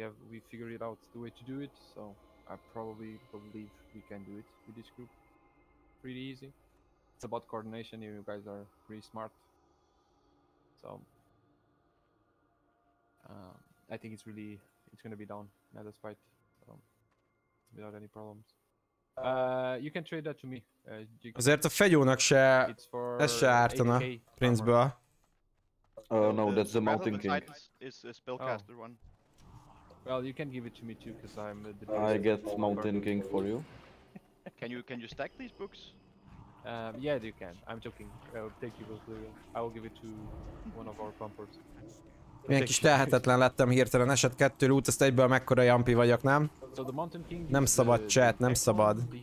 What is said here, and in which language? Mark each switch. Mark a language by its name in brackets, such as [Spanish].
[English] We figured it out the way to do it. So I probably believe we can do it with this group. Pretty easy. It's about coordination. You guys are pretty smart. So. I think it's really, it's gonna be down, Nether Spite, without any problems. You can trade that to me. [Hungarian] Azért a fegyónak se, ez se ártana, Prince-ből. [English] No, that's the Mountain King. It's a spellcaster one. Well, you can give it to me too, because I'm the... I get Mountain King for you. Can you stack these books? Yeah, you can. I'm joking. Thank you, Bozlia. I will give it to one of our pumpers. [Hungarian] Milyen kis tehetetlen lettem hirtelen, esett kettő loot, ezt egyből mekkora jampi vagyok, nem? Nem szabad chat, nem szabad.